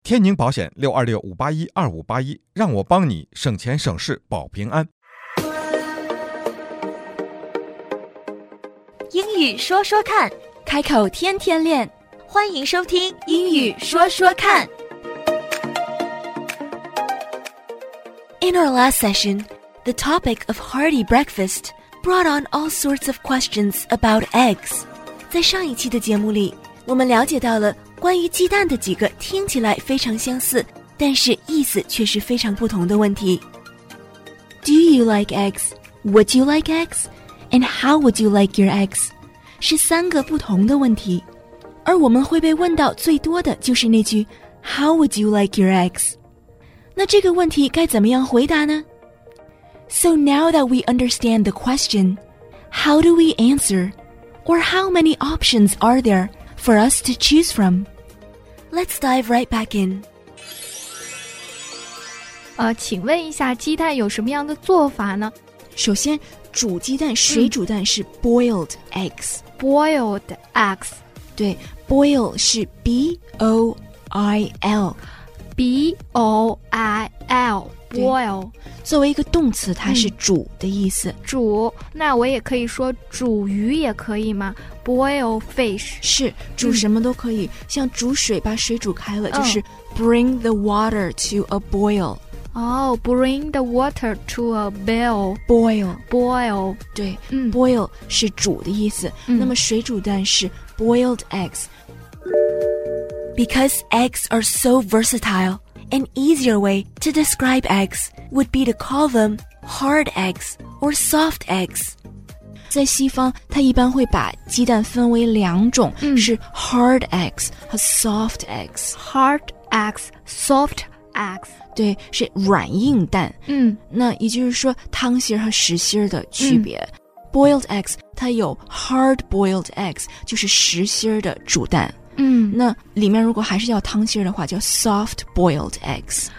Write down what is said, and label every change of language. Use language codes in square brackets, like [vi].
[zh] 天宁保险626-581-2581，让我帮你省钱省事保平安。英语说说看，开口天天练，欢迎收听英语说说看。 [en] In our last session, the topic of hearty breakfast brought on all sorts of questions about eggs. [zh] 在上一期的节目里，我们了解到了关于鸡蛋的几个听起来非常相似，但是意思却是非常不同的问题。 [en] Do you like eggs? Would you like eggs? And how would you like your eggs? [zh] 是三个不同的问题。而我们会被问到最多的就是那句 [en] How would you like your eggs? [zh] 那这个问题该怎么样回答呢？ [en] So now that we understand the question, how do we answer? Or how many options are there? For us to choose from. Let's dive right back in. [zh] 请问一下鸡蛋有什么样的做法呢？首先煮鸡蛋水煮蛋是 boiled eggs. [en] Boiled eggs. [zh] 对 ,boil 是 B-O-I-L. [en] B-O-I-L. Boil. [zh] 作为一个动词它是煮的意思。煮那我也可以说煮鱼也可以吗？ [en] Boil fish. [zh] 是煮什么都可以、像煮水把水煮开了、就是 [en] bring the water to a boil. Oh, bring the water to a boil. Boil. Boil. [zh] 对、boil 是煮的意思、那么水煮蛋是 boiled eggs. [en] Because eggs are so versatile, an easier way to describe eggs would be to call them hard eggs or soft eggs. [zh] 在西方它一般会把鸡蛋分为两种、是 hard eggs 和 soft eggs [en] hard eggs soft eggs [zh] 对是软硬蛋、那也就是说汤芯和实芯的区别、boiled eggs 它有 hard boiled eggs 就是实芯的煮蛋、那里面如果还是要汤芯的话叫 soft boiled eggs